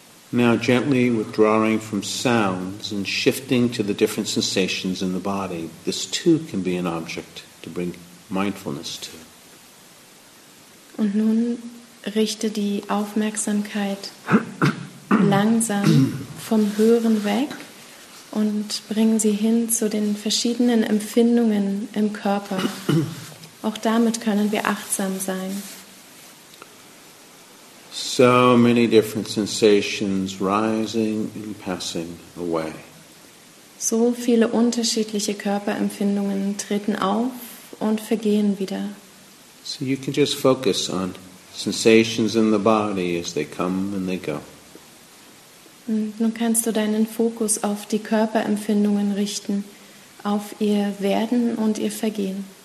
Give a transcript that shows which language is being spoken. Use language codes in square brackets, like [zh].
[en] Now gently withdrawing from sounds and shifting to the different sensations in the body, this too can be an object to bring mindfulness to. [de] Und nun richte die Aufmerksamkeit langsam vom Hören weg und bringen sie hin zu den verschiedenen Empfindungen im Körper. Auch damit können wir achtsam sein. [en] So many different sensations rising and passing away. [de] So viele unterschiedliche Körperempfindungen treten auf und vergehen wieder. [en] So you can just focus on sensations in the body as they come and they go. [de] Und nun kannst du deinen Fokus auf die Körperempfindungen richten, auf ihr Werden und ihr Vergehen.